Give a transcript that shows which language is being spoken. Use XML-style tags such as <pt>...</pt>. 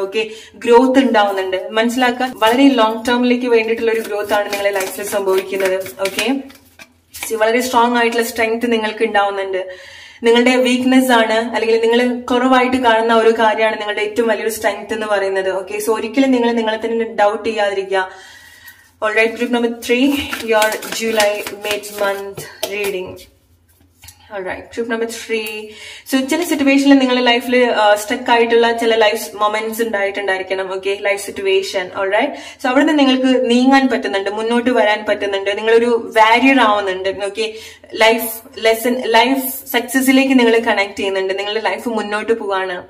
<ml>Okay, growth ഉണ്ടാവുന്നുണ്ട് മനസ്സിലാക്കുക. വളരെ ലോങ് ടേമിലേക്ക് വേണ്ടിയിട്ടുള്ള ഒരു ഗ്രോത്ത് ആണ് നിങ്ങളുടെ ലൈഫിൽ സംഭവിക്കുന്നത്. ഓക്കെ, വളരെ സ്ട്രോങ് ആയിട്ടുള്ള സ്ട്രെങ്ത് നിങ്ങൾക്ക് ഉണ്ടാവുന്നുണ്ട്. നിങ്ങളുടെ വീക്ക്നെസ് ആണ് അല്ലെങ്കിൽ നിങ്ങൾ കുറവായിട്ട് കാണുന്ന ഒരു കാര്യമാണ് നിങ്ങളുടെ ഏറ്റവും വലിയൊരു സ്ട്രെങ്ത് എന്ന് പറയുന്നത്. ഓക്കെ, സോ ഒരിക്കലും നിങ്ങൾ നിങ്ങളെ തന്നെ ഡൗട്ട് ചെയ്യാതിരിക്കുക.</ml> <en>Alright, group number 3, your July mid-month reading. Alright, group number 3.</en> <ml>So, ചില സിറ്റുവേഷനിൽ നിങ്ങളുടെ ലൈഫിൽ സ്റ്റക്ക് ആയിട്ടുള്ള ചില life moments ഉണ്ടായിട്ടുണ്ടായിരിക്കണം. Okay, life situation. Alright, so അവിടെ നിന്ന് നിങ്ങൾക്ക് നീങ്ങാൻ പറ്റുന്നുണ്ട്, മുന്നോട്ട് വരാൻ പറ്റുന്നുണ്ട്, നിങ്ങളൊരു വാരിയർ ആവുന്നുണ്ട്. ഓക്കെ, ലൈഫ് ലെസൺ, ലൈഫ് സക്സസിലേക്ക് നിങ്ങൾ കണക്ട് ചെയ്യുന്നുണ്ട്, നിങ്ങളുടെ ലൈഫ് മുന്നോട്ട് പോവാണ്.</ml>